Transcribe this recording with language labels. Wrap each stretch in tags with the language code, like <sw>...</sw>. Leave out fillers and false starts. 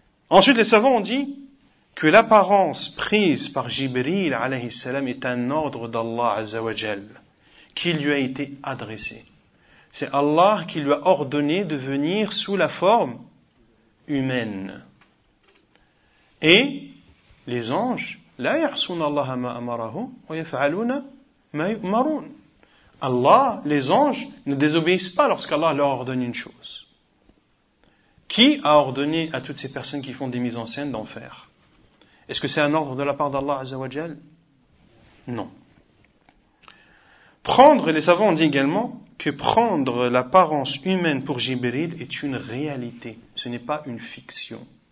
<fr>Ensuite, les savants ont dit que l'apparence prise par Jibril, alayhi salam, est un ordre d'Allah, azza wa jal, qui lui a été adressé. C'est Allah qui lui a ordonné de venir sous la forme humaine. Et les anges,</fr> <ar>لا يعصون الله ما أمرهم ويفعلون ما يؤمرون.</ar> <fr>Allah, les anges, ne désobéissent pas lorsqu'Allah leur ordonne une chose. Qui a ordonné à toutes ces personnes qui font des mises en scène d'en faire? Est-ce que c'est un ordre de la part d'Allah Azza wa Jal? Non. Prendre, les savants ont dit également, que prendre l'apparence humaine pour Jibril est une réalité, ce n'est pas une fiction.</fr>